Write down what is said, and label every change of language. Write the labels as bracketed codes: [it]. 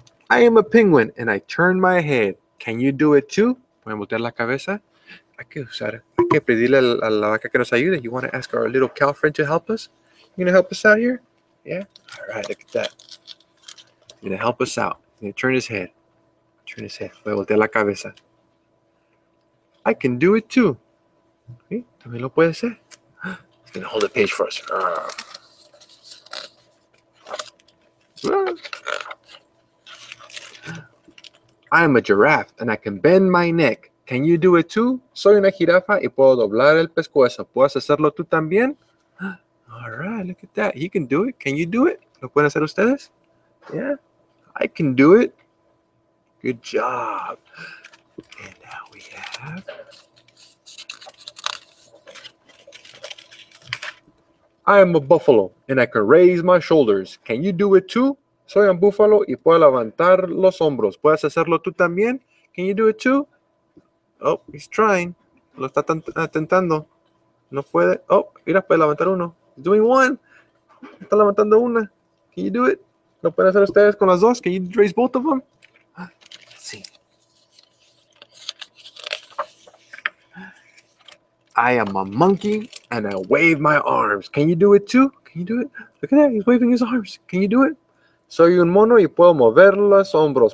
[en] I am a penguin and I turn my head. Can you do it too? [es] Voy a voltear la cabeza. Hay que usar, hay que pedirle a la vaca que nos ayude. [en] You want to ask our little cow friend to help us? You going to help us out here? Yeah? All right, look at that. You going to help us out. You going to turn his head. Turn his head. [es] Voy a voltear la cabeza. [en] I can do it too. [es] ¿Sí? ¿También lo puede hacer? [en] Gonna hold the page for us. I am a giraffe and I can bend my neck. Can you do it too? [es] Soy una jirafa y puedo doblar el pescuezo. ¿Puedes hacerlo tú también? [en] All right, look at that. He can do it. Can you do it? [es] ¿Lo pueden hacer ustedes? [en] Yeah, I can do it. Good job. And now we have. I am a buffalo, and I can raise my shoulders. Can you do it too? [es] Soy un búfalo y puedo levantar los hombros. ¿Puedes hacerlo tú también? [en] Can you do it too? Oh, he's trying. [es] Lo está intentando. No puede. Oh, mira, puede levantar uno. [en] He's doing one. [es] Está levantando una. [en] Can you do it? [es] ¿Lo pueden hacer ustedes con las dos? [en] Can you raise both of them? [es] Sí. [en] I am a monkey and I wave my arms. Can you do it too? Can you do it? Look at that, he's waving his arms. Can you do it? [es] Soy un mono y puedo mover los hombros.